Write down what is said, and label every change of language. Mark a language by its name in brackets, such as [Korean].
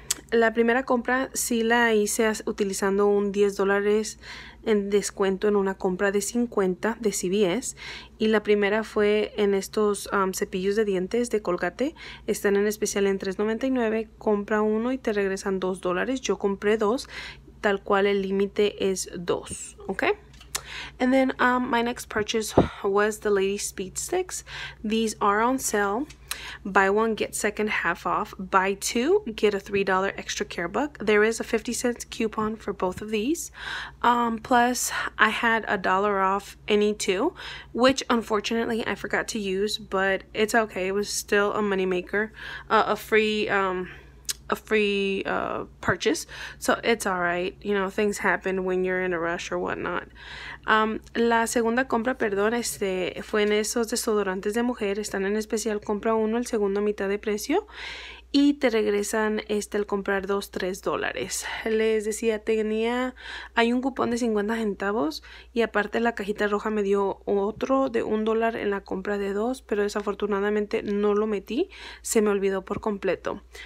[Spanish] La primera compra sí la hice utilizando un $10 en descuento en una compra de 50 de CVS. Y la primera fue en estos cepillos de dientes de Colgate. Están en especial en $3.99. Compra uno y te regresan $2. Yo compré dos, tal cual el límite es dos. [English] Okay. And then my next purchase was the Lady Speed Sticks. These are on sale. Buy one, get second half off. Buy two, get a $3 extra care book. There is a 50 cents coupon for both of these. Plus, I had a dollar off any two, which unfortunately I forgot to use, but it's okay. It was still a moneymaker, a free purchase, so it's all right. You know, things happen when you're in a rush or whatnot. [Spanish] La segunda compra, perdón, fue en esos desodorantes de mujer. Están en especial, compra uno el segundo a mitad de precio y te regresan al comprar dos, $3. Les decía, hay un cupón de 50 centavos y aparte la cajita roja me dio otro de $1 en la compra de dos, pero desafortunadamente no lo metí, se me olvidó por completo.